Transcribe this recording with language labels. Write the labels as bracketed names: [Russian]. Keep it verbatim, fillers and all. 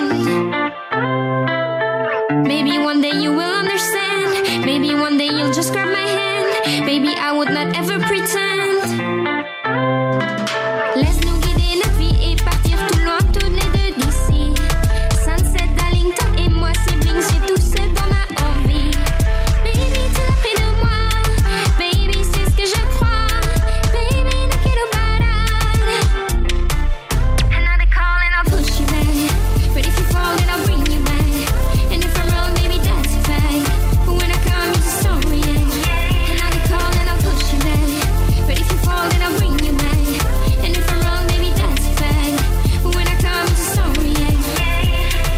[English] Maybe one day you will understand. Maybe one day you'll just grab my hand. Baby, I would not ever pretend. [French] Laisse-nous guider la vie et partir tout loin, tous les deux d'ici. Sunset, Darlington et moi, siblings, j'ai tout ce dont on a envie. Baby, tu l'as pris de moi. Baby, c'est ce que je crois. [Spanish] Baby, no quiero parar. [English] Another call and I'll put you back. But if you fall, then I'll bring you back. And if I'm wrong, baby, that's a fact. But when I come, you just don't react. Another call and I'll push you back. But if you fall, then I'll bring you back. And if I'm wrong, baby, that's a fact. But when I come, you just don't